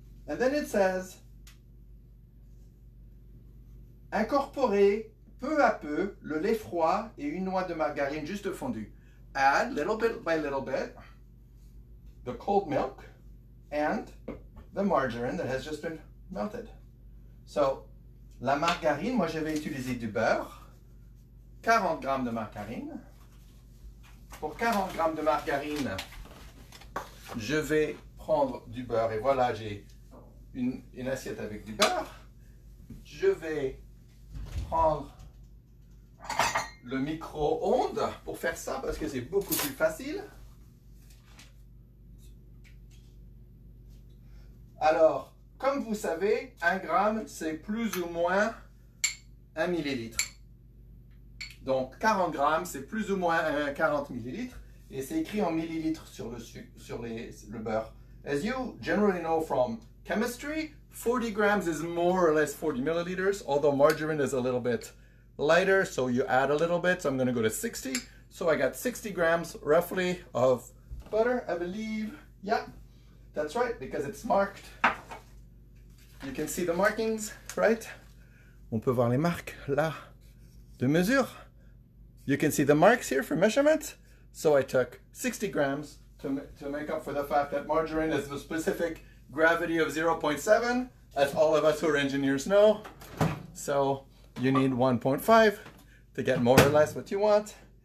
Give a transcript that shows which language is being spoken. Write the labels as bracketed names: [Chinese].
[English] And then it says, [French] incorporer peu à peu le lait froid et une noix de margarine juste fondue. [English] Add little bit by little bit the cold milk and the margarine that has just been melted. [French] So, la margarine, moi j'avais utilisé du beurre, 40 grammes de margarine. Pour 40 grammes de margarine, je vais prendre du beurre et voilà, j'ai une assiette avec du beurre. Je vais prendre le micro-ondes pour faire ça parce que c'est beaucoup plus facile. Alors, comme vous savez, 1 gramme, c'est plus ou moins 1 millilitre. Donc, 40 grammes, c'est plus ou moins 40 millilitres. Et c'est écrit en millilitres sur le beurre. [English] As you generally know from chemistry, 40 grams is more or less 40 milliliters, although margarine is a little bit lighter, so you add a little bit. So I'm going to go to 60. So I got 60 grams, roughly, of butter, I believe. Yeah, that's right, because it's marked. You can see the markings, right? [French] On peut voir les marques là de mesure. [English] You can see the marks here for measurement. So I took 60 grams to make up for the fact that margarine is the specific gravity of 0.7, as all of us who are engineers know. So you need 1.5 to get more or less what you want.